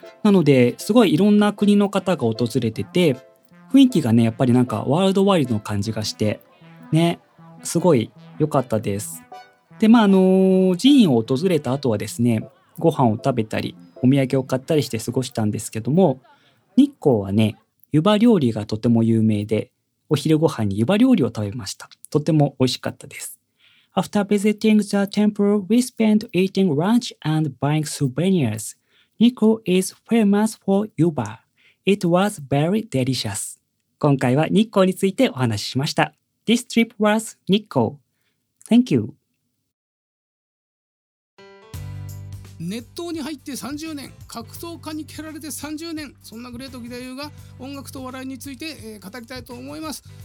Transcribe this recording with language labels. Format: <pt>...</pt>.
<ja>なのですごいいろんな国の方が訪れてて、雰囲気がね、やっぱりなんかワールドワイルドの感じがしてね、すごい良かったです。で、まあ寺院を訪れた後はですね、ご飯を食べたりお土産を買ったりして過ごしたんですけども、日光はね、湯葉料理がとても有名で、お昼ご飯に湯葉料理を食べました。とても美味しかったです。</ja> <en>After visiting the temple, we spent eating lunch and buying souvenirs. Nikko is famous for 湯葉.It was very delicious.</en> <ja>今回は日光についてお話ししました。</ja> <en>This trip was Nikko. Thank you.</en> <ja>ネットに入って30年、格闘家に蹴られて30年、そんなグレートギダユーが音楽と笑いについて、語りたいと思います。</ja>